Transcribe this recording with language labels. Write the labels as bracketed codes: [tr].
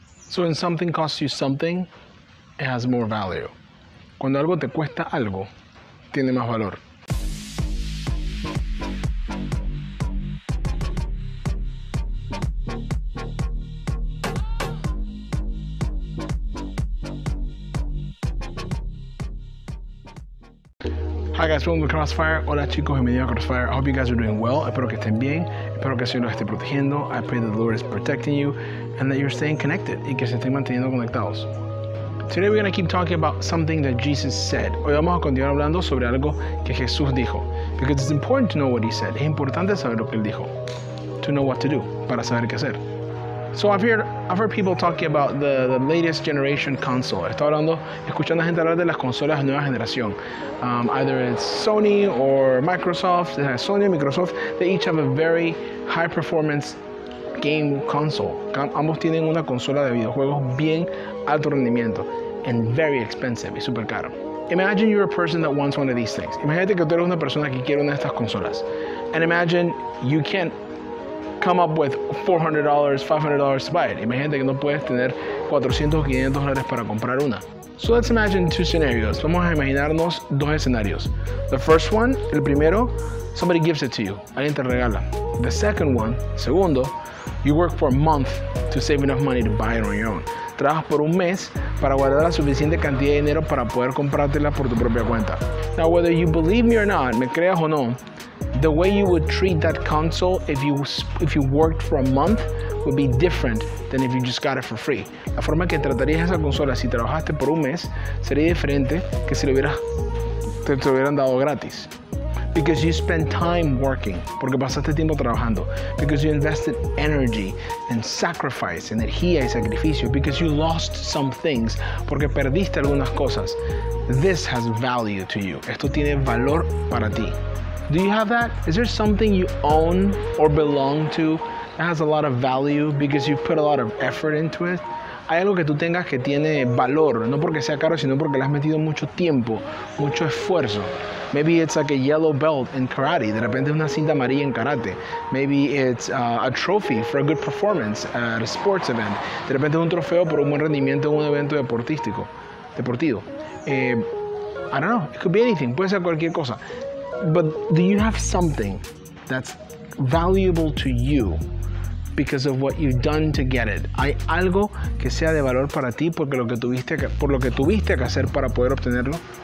[en] So when something costs you something, it has more value. [es] Cuando algo te cuesta algo, tiene más valor. [en] Hi guys, welcome to Crossfire. [es] Hola chicos, bienvenidos a Crossfire. [en] I hope you guys are doing well. [es] Espero que estén bien. Espero que el Señor los esté protegiendo. [en] I pray that the Lord is protecting you and that you're staying connected [es] y que se estén manteniendo conectados. [en] Today we're going to keep talking about something that Jesus said. [es] Hoy vamos a continuar hablando sobre algo que Jesús dijo. [en] Because it's important to know what he said. [es] Es importante saber lo que él dijo. [en] To know what to do. [es] Para saber qué hacer. [en] So I've heard people talking about the latest generation console. [es] Estaba hablando, escuchando a gente hablar de las consolas de nueva generación. [en] Either it's Sony or Microsoft. Sony, Microsoft, they each have a very high performance game console. [es] Ambos tienen una consola de videojuegos bien alto rendimiento and very expensive, y super caro. [en] Imagine you're a person that wants one of these things. [es] Imagínate que tú eres una persona que quiere una de estas consolas. [en] And imagine you can't come up with $400, $500 to buy it. [es] Imagínate que no puedes tener $400 o $500 para comprar una. [en] So let's imagine two scenarios. [es] Vamos a imaginarnos dos escenarios. [en] The first one, [es] el primero, [en] somebody gives it to you. [es] Alguien te regala. [en] The second one, segundo, you work for a month to save enough money to buy it on your own. [es] Trabajas por un mes para guardar la suficiente cantidad de dinero para poder comprártela por tu propia cuenta. [en] Now, whether you believe me or not, [es] me creas o no, [en] the way you would treat that console if you worked for a month would be different than if you just got it for free. [es] La forma que tratarías esa consola si trabajaste por un mes sería diferente que si te lo hubieran dado gratis. [en] Because you spent time working, [es] porque pasaste tiempo trabajando. [en] Because you invested energy and sacrifice, [es] energía y sacrificio. [en] Because you lost some things, [es] porque perdiste algunas cosas. [en] This has value to you. [es] Esto tiene valor para ti. [en] Do you have that? Is there something you own or belong to that has a lot of value because you put a lot of effort into it? [es] Hay algo que tú tengas que tiene valor, no porque sea caro, sino porque le has metido mucho tiempo, mucho esfuerzo. [en] Maybe it's like a yellow belt in karate. [es] De repente es una cinta amarilla en karate. [en] Maybe it's a trophy for a good performance at a sports event. [es] De repente es un trofeo por un buen rendimiento en un evento deportivo. [en] I don't know. It could be anything. [es] Puede ser cualquier cosa. [en] But do you have something that's valuable to you because of what you've done to get it? [es] ¿Hay algo que sea de valor para ti porque por lo que tuviste que hacer para poder obtenerlo?